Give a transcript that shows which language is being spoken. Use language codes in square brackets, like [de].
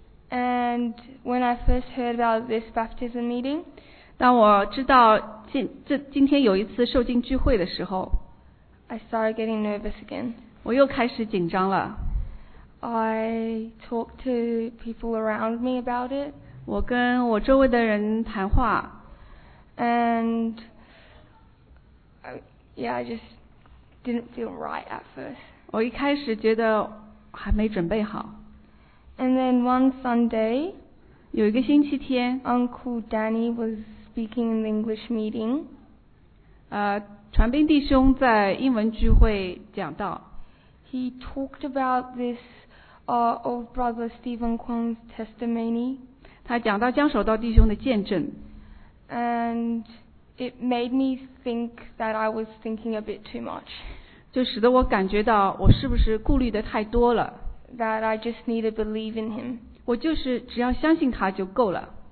[en] And when I first heard about this baptism meeting, [zh] 当我知道今天有一次受浸聚会的时候， [en] I started getting nervous again. [zh] 我又开始紧张了。 [en] I talked to people around me about it. [zh] 我跟我周围的人谈话。 [en] And I just didn't feel right at first. [zh] 我一开始觉得还没准备好。 [en] And then one Sunday, [zh] 有一个星期天 [en] ，Uncle Danny was speaking in the English meeting. [zh] 传兵弟兄在英文聚会讲到。 [en] He talked about this old brother Stephen Kwong's testimony. [zh] 他讲到江守道弟兄的见证。 [en] And it made me think that I was thinking a bit too much. [zh] 就使得我感觉到我是不是顾虑的太多了。 [en] That I just need to believe in him. [zh] 我就是只要相信他就够了。